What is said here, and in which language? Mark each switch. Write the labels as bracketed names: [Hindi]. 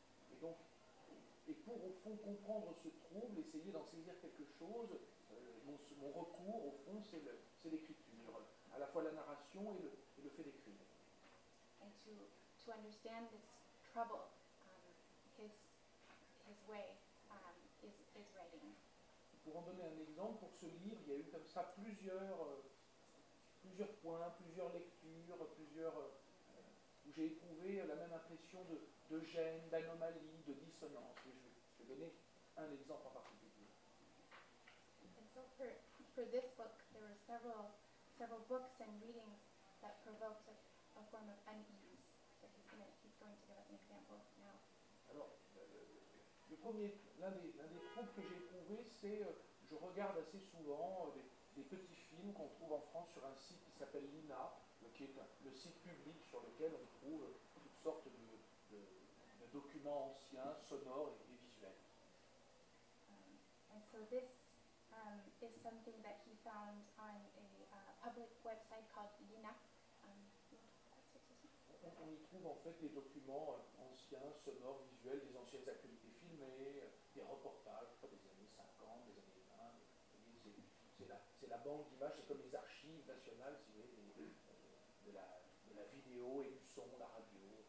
[French] Et donc, et pour au fond comprendre ce trouble, essayer d'en saisir quelque chose, mon recours au fond c'est l'écriture, à la fois la narration et le fait d'écrire. [English] And to understand this trouble, his way is writing. [French] Pour en donner un exemple, pour ce livre, il y a eu comme ça plusieurs points, plusieurs lectures, plusieurs. Où j'ai éprouvé la même impression de gêne, d'anomalie, de dissonance. Et je vais donner un exemple en particulier. [English] And so for this book, there were several books and readings that provoked a form of unease. So he's going to give us an example now. [French] Alors, l'un des troubles que j'ai éprouvé, c'est je regarde assez souvent des petits films qu'on trouve en France sur un site qui s'appelle Lina. Qui est le site public sur lequel on trouve toutes sortes de documents anciens, sonores et visuels. [English] And so this is something that he found on a public website called Lina. [French] On y trouve en fait des documents anciens, sonores, visuels, des anciennes actualités filmées, des reportages des années 50, des années 20. C'est la banque d'images, c'est comme les archives nationales, si vous voulez. De la vidéo et du son, la radio.